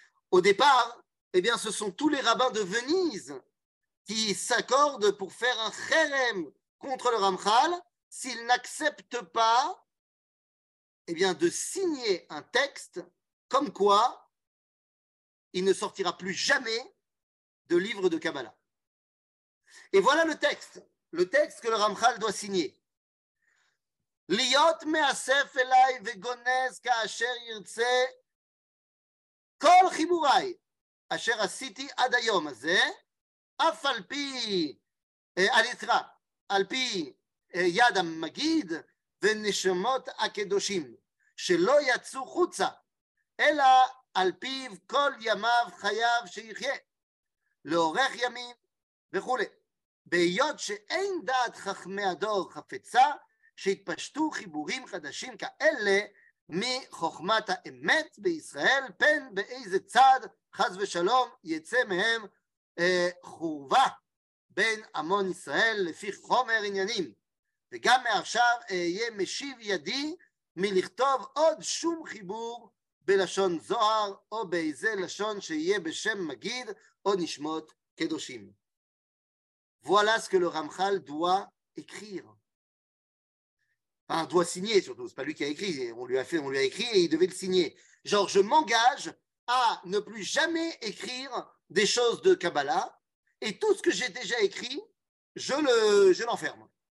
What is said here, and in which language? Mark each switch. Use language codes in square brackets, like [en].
[fr] Au départ, eh bien, ce sont tous les rabbins de Venise qui s'accordent pour faire un cherem contre le Ramchal s'il n'accepte pas de signer un texte comme quoi il ne sortira plus jamais de livre de Kabbalah. Et voilà le texte que le Ramchal doit signer. [he] Liot me'asef elai vegonez ka'asher yirtze kol chiburai asher asiti ad hayom haze af al pi alitra על פי יד המגיד ונשמות הקדושים שלא יצאו חוצה אלא על פיו כל ימיו חייו שיחיה לאורך ימים וכו'. בהיות שאין דעת חכמי הדור חפצה שהתפשטו חיבורים חדשים כאלה מחוכמת האמת בישראל פן באיזה צד חס ושלום יצא מהם חורבה בין המון ישראל לפי חומר עניינים, וגם מעכשיו יהיה משיב ידי מלכתוב עוד שום חיבור בלשון זוהר או באיזה לשון שיהיה בשם מגיד או נשמות קדושים. [fr] Voilà ce que le Ramchal doit écrire. Enfin, doit signer surtout, c'est pas lui qui a écrit, on lui a écrit et il devait le signer. Genre, je m'engage à ne plus jamais écrire des choses de Kabbalah. Et tout ce que j'ai déjà écrit, je l'enferme.